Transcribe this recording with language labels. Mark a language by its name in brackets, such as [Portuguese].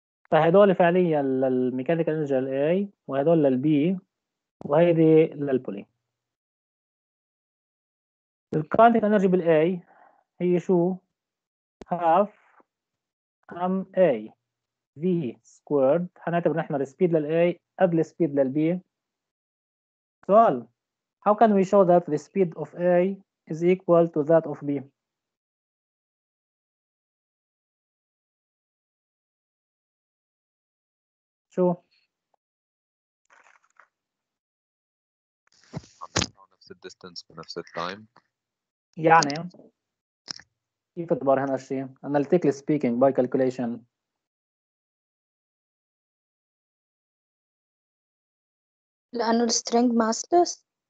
[Arabic] فهدول فعليا للميكانيكال انرجي الـ A وهدول للـ B وهيدي للـ Poly. الكاينتيك انرجي بالـ A هي شو؟ [English] half MA V squared. [Arabic] هنعتبر نحن الـ speed للـ A قبل الـ speed للـ B. [English] سؤال how can we show that the speed of A is equal to that of B؟ شو؟ [Arabic] نفس الـ distance بنفس الـ time. يعني كيف تبار هنا الشيء؟ [English] analytically speaking by calculation [Arabic] لأنه string massless؟